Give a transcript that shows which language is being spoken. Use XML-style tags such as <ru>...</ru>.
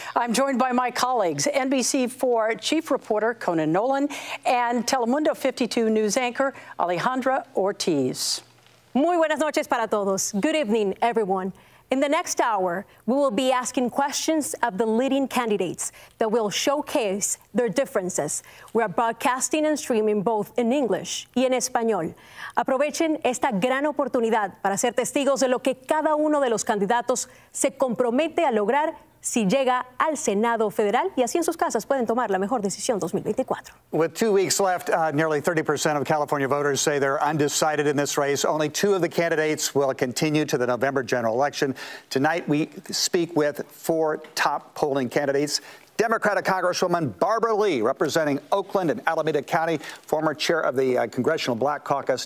<en>I'm joined by my colleagues, NBC4 Chief Reporter Conan Nolan and Telemundo 52 News Anchor Alejandra Ortiz.</en> <es>Muy buenas noches para todos.</es> <en>Good evening, everyone. In the next hour, we will be asking questions of the leading candidates that will showcase their differences. We are broadcasting and streaming both in English</en> <es>y en español. Aprovechen esta gran oportunidad para ser testigos de lo que cada uno de los candidatos se compromete a lograr si llega al Senado federal, y así en sus casas pueden tomar la mejor decisión 2024.</es> <en>With 2 weeks left, nearly 30% of California voters say they're undecided in this race. Only two of the candidates will continue to the November general election. Tonight, we speak with four top polling candidates. Democratic Congresswoman Barbara Lee, representing Oakland and Alameda County, former chair of the Congressional Black Caucus.</en>